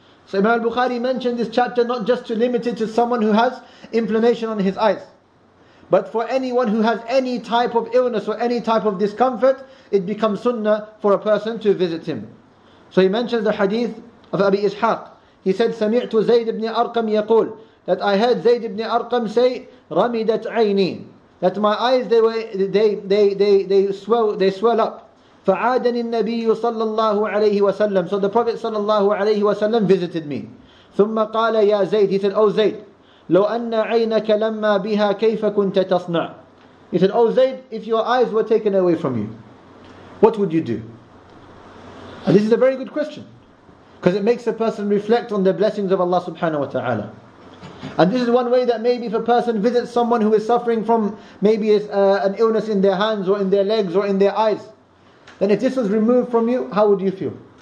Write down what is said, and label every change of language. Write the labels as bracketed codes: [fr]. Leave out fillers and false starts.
[en] So Imam al-Bukhari mentioned this chapter not just to limit it to someone who has inflammation on his eyes. But for anyone who has any type of illness or any type of discomfort, it becomes sunnah for a person to visit him. So he mentions the hadith of Abi Ishaq. He said, [ar] سَمِعْتُ زَيْدِ بْنِ أَرْقَمْ يَقُولُ. [en] That I heard Zayd ibn Arqam say, [ar] رَمِدَتْ عَيْنِي. [en] That my eyes, they swell up. [ar] فعادني النبي صلى الله عليه وسلم. [en] So the Prophet [ar] صلى الله عليه وسلم [en] visited me. [ar] ثم قال يا زيد. [en] He said, oh Zayd, [ar] لو أن عينك لما بها كيف كنت تصنع. [en] He said, oh Zayd, if your eyes were taken away from you, what would you do? And this is a very good question, because it makes a person reflect on the blessings of Allah subhanahu wa ta'ala. And this is one way that maybe if a person visits someone who is suffering from maybe an illness in their hands or in their legs or in their eyes, then if this was removed from you, how would you feel?